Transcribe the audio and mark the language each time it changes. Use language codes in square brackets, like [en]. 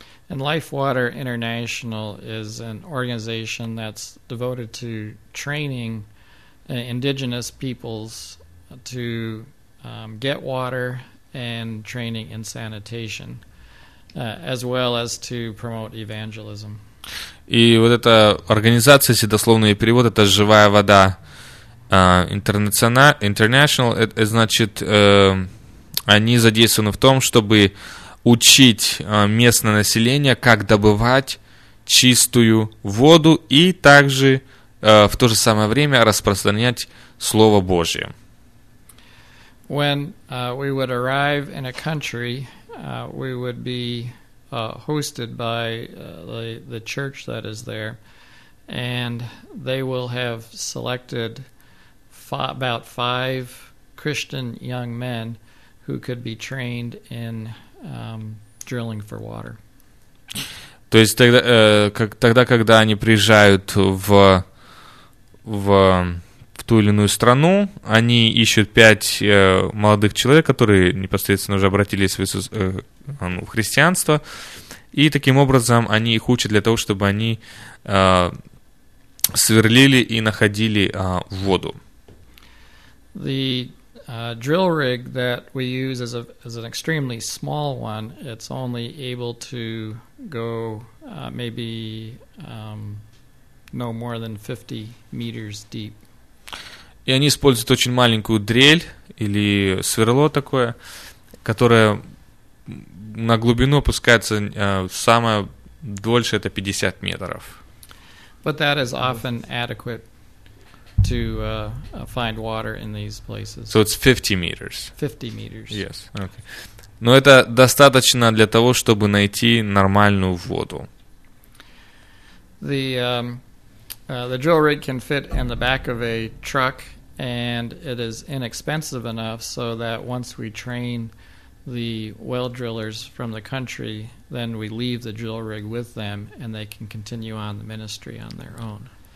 [en] And Lifewater International is an organization that's devoted to training indigenous peoples to get water and training in sanitation, as well as to promote evangelism. [ru] И вот эта организация, если дословный перевод, это «Живая вода», International, это значит, они задействованы в том, чтобы... учить местное население, как добывать чистую воду и также в то же самое время распространять Слово Божие. [en] When we would arrive in a country, we would be hosted by the church that is there, and they will have selected about five Christian young men who could be trained in drilling for water. [ru] То есть тогда, когда они приезжают в ту или иную страну, они ищут пять молодых человек, которые непосредственно уже обратились в христианство, и таким образом они их учат для того, чтобы они сверлили и находили воду. [en] Drill rig that we use is an extremely small one. It's only able to go maybe no more than 50 meters deep. [ru] И они используют очень маленькую дрель или сверло такое, которое на глубину опускается самое дольше это 50 метров. [en] But that is often adequate to find water in these places. So it's 50 meters. 50 meters. Yes. Okay. [ru] Но это достаточно для того, чтобы найти нормальную воду. [en] The drill rig can fit in the back of a truck, and it is inexpensive enough so that once we train the well drillers from the country, then we leave the drill rig with them, and they can continue on the ministry on their own.